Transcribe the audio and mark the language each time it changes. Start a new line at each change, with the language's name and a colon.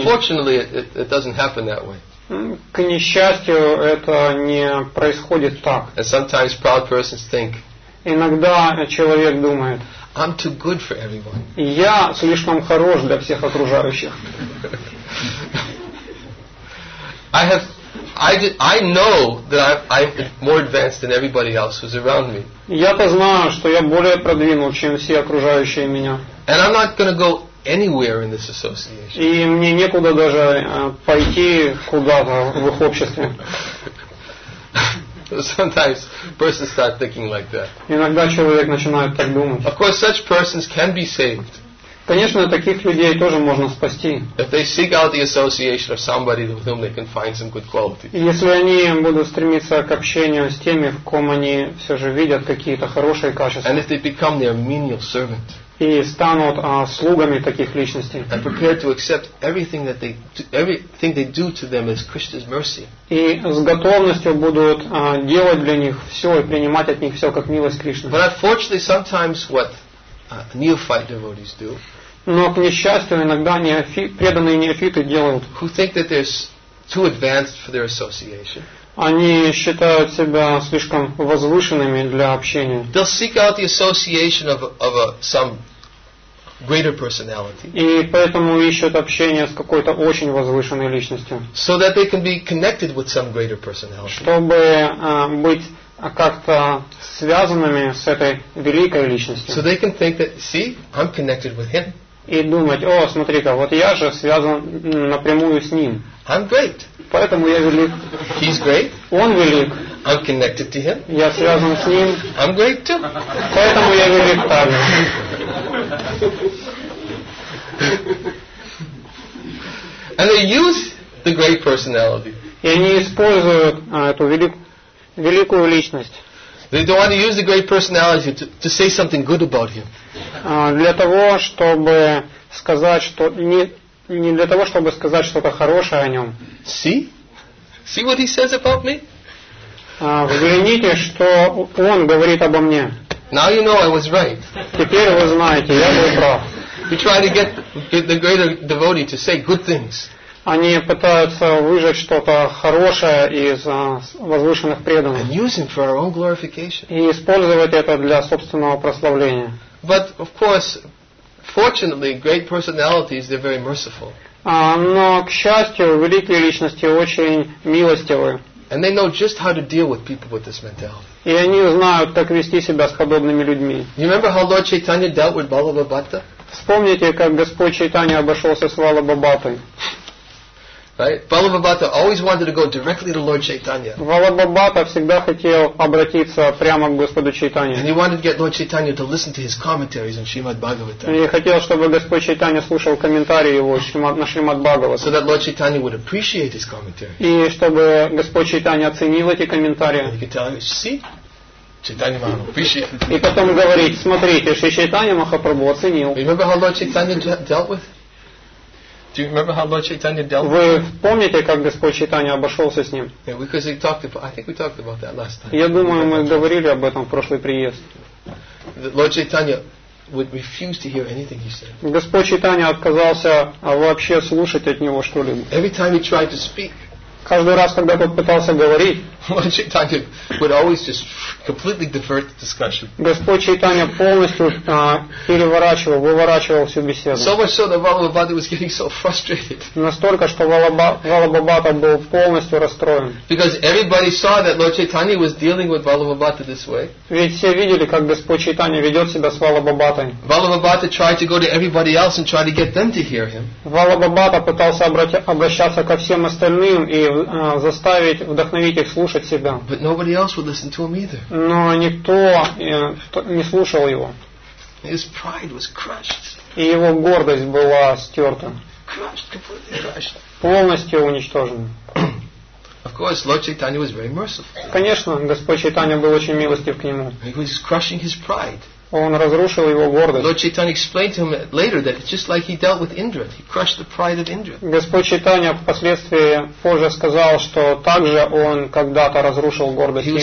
English: Unfortunately, it doesn't happen that way.
Russian: К несчастью, это не происходит так.
English: And sometimes proud persons think,
Russian: иногда человек думает,
English: I'm too good for everyone.
Russian: Я слишком хорош для всех окружающих.
English: I have, I know that I'm more advanced than everybody else who's around me.
Russian: Я-то знаю, что я более продвинут, чем все окружающие меня.
English: And I'm not going to go anywhere in this association.
Russian: И мне некуда даже пойти куда-то в их обществе.
English: Sometimes persons start thinking like that.
Russian: Иногда человек начинает так думать.
English: Of course, such persons can be saved.
Russian: Конечно, таких людей тоже можно спасти.
English: If they seek out the association of somebody with whom they can find some good qualities.
Russian: Если они будут стремиться к общению с теми, в ком они все же видят какие-то хорошие качества.
English: And if they become their menial servant.
Russian: И станут слугами таких личностей.
English: And prepared to accept everything that they everything they do to them as Christ's mercy.
Russian: И с готовностью будут делать для них все и принимать от них все как милость Кришны.
English: But unfortunately, sometimes what neophyte devotees do.
Russian: Но к несчастью иногда преданные неофиты делают.
English: Who think that they're too advanced for their association.
Russian: Они считают себя слишком возвышенными для общения.
English: They'll seek out the association of some greater personality.
Russian: И поэтому ищут общение с какой-то очень возвышенной личностью.
English: So that they can be connected with some greater personality.
Russian: Чтобы быть как-то связанными с этой великой личностью.
English: So they can think that, see, I'm connected with him.
Russian: И думать, о, смотри-ка, вот я же связан напрямую с ним.
English: I'm great.
Russian: Поэтому я велик.
English: He's great.
Russian: Он велик.
English: I'm connected to him.
Russian: Я связан с ним.
English: I'm great too.
Russian: Поэтому я велик также.
English: And they use the great personality.
Russian: И они используют эту великую личность.
English: They don't want to use the great personality to say something good about him.
Russian: Для того, чтобы сказать, что не для того, чтобы сказать что-то хорошее о нем.
English: See what he says about me?
Russian: Взгляните, что он говорит обо мне.
English: Now you know I was right.
Russian: Теперь вы знаете, я был прав.
English: We try to get the greater devotee to say good things.
Russian: Они пытаются выжать что-то хорошее из возвышенных преданных. И использовать это для собственного прославления.
English: But of course, fortunately, great personalities, they're very merciful.
Russian: Но, к счастью, великие личности очень милостивы.
English: And they know just how to deal with people with this mentality.
Russian: И они знают, как вести себя с подобными людьми.
English: You remember how Lord Chaitanya dealt with Balabha Bhatta?
Russian: Вспомните, как Господь Чайтанья обошелся с Валабха Бхаттой.
English: Right? Balabha Bhatta always wanted to go directly to Lord Chaitanya.
Russian: Balabha Bhatta всегда хотел обратиться прямо к Господу Чайтанье.
English: And he wanted to get Lord Chaitanya to listen to his commentaries on Srimad Bhagavatam.
Russian: И хотел, чтобы Господь Чайтанья слушал комментарии его на Шримад Бхагаватам.
English: So that Lord Chaitanya would appreciate his commentary.
Russian: И чтобы Господь Чайтанья оценил эти комментарии.
English: And he could tell him, see? Чайтанья Махапрабху appreciated.
Russian: И потом говорить, смотрите, Шри Чайтанья Махапрабху оценил.
English: Remember how Lord Chaitanya dealt with? Do you remember how Lord Chaitanya dealt with?
Russian: Вы помните, как Господь Чайтанья обошелся с ним?
English: Yeah, because he talked about. I think we talked about that last time.
Russian: Я думаю, мы говорили об этом в прошлый приезд.
English: Lord Chaitanya would refuse to hear anything he said.
Russian: Господь Чайтанья отказался вообще слушать от него что-либо.
English: Every time he tried to speak.
Russian: Каждый раз, когда тот пытался говорить,
English: Lord Chaitanya would always just completely divert the discussion.
Russian: Господь Чайтанья полностью выворачивал всю беседу.
English: So much so that Валабха Бхатта was getting so frustrated.
Russian: Настолько, что Валабха Бхатта был полностью расстроен.
English: Because everybody saw that Lord Chaitanya was dealing with Валабха Бхатта this way.
Russian: Ведь все видели, как Господь Чайтанья ведет себя с Валабха Бхаттой.
English: Валабха Бхатта tried to go to everybody else and try to get them to hear him.
Russian: Валабха Бхатта пытался обращаться ко всем остальным и заставить, вдохновить их слушать себя.
English: But nobody else would listen to him either.
Russian: Но никто не слушал его.
English: His pride was crushed.
Russian: И его гордость была стерта.
English: Crushed, completely crushed.
Russian: Полностью уничтожена.
English: Of course, Lord Chaitanya was very merciful.
Russian: Конечно, Господь Чайтанья был очень милостив к нему.
English: He was crushing his pride.
Russian: Он разрушил его гордость.
English: Lord Chaitanya explained to him later that it's just like he dealt with Indra. He crushed the pride of Indra.
Russian: Господь Чайтанья впоследствии позже сказал, что также он когда-то разрушил гордость Индры.